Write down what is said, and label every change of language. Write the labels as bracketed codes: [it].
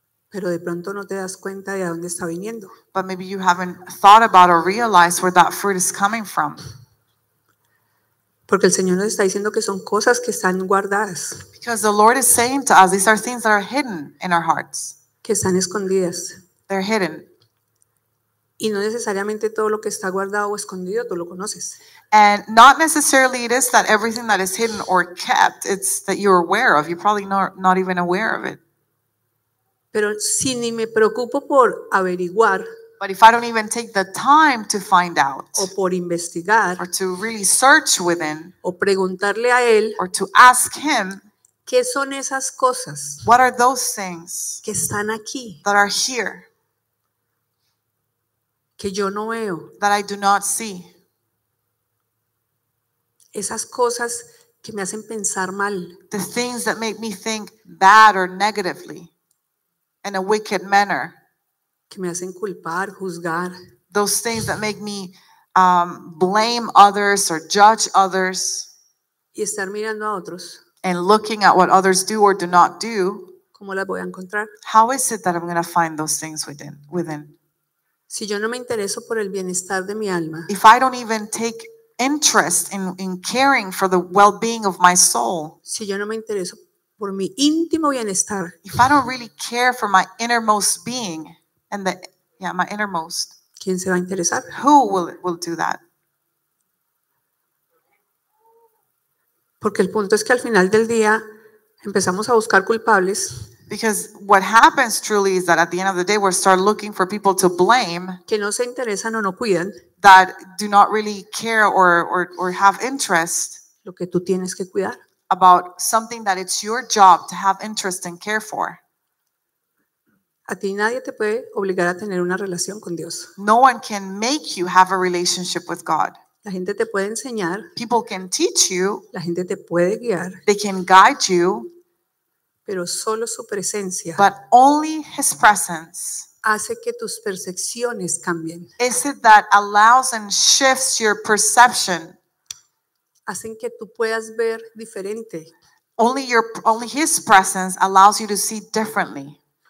[es] Pero de pronto no te das cuenta de a dónde está viniendo. [en] But maybe you haven't thought about or realized where that fruit is coming from. [es] Porque el Señor nos está diciendo que son cosas que están guardadas. [en] Because the Lord is saying to us, these are things that are hidden in our hearts. [es] Que están escondidas. [en] They're hidden. [es] Y no necesariamente todo lo que está guardado o escondido tú lo conoces. [en] And not necessarily it is that everything that is hidden or kept, it's that you're aware of. You're probably not even aware of it. [es] Pero si ni me preocupo por averiguar, [en] but if I don't even take the time to find out, [es] o por investigar, [en] or to really search within, [es] o preguntarle a él, [en] or to ask him, [es] ¿qué son esas cosas? [en] What are those things [es] que están aquí, [en] that are here, [es] que yo no veo, [en] that I do not see? [es] Esas cosas que me hacen pensar mal. [en] The things that make me think bad or negatively, in a wicked manner. [es] Que me hacen culpar, juzgar. [en] Those things that make me blame others or judge others. [es] Y estar mirando a otros. [en] And looking at what others do or do not do. [es] ¿Cómo las voy a encontrar? [en] How is it that I'm going to find those things within? [es] Si yo no me intereso por el bienestar de mi alma. [en] If I don't even take interest in caring for the well-being of my soul. [es] Si yo no me intereso por mi íntimo bienestar. [en] If I don't really care for my innermost being and my innermost. [es] ¿Quién se va a interesar? [en] Who will do that? [es] Porque el punto es que al final del día empezamos a buscar culpables. [en] Because what happens truly is that at the end of the day we start looking for people to blame. [es] Que no se interesan o no cuidan. [en] That do not really care or have interest. [es] Lo que tú tienes que cuidar. [en] About something that it's your job to have interest and care for. [es] A ti nadie te puede obligar a tener una relación con Dios. [en] No one can make you have a relationship with God. [es] La gente te puede enseñar. [en] People can teach you. [es] La gente te puede guiar. [en] They can guide you. [es] Pero solo su presencia. [en] But only his presence. [es] Hace que tus percepciones cambien. [en] Is it that allows and shifts your perception? [es] Hacen que tú puedas ver diferente. [en] Only his presence allows you to see differently.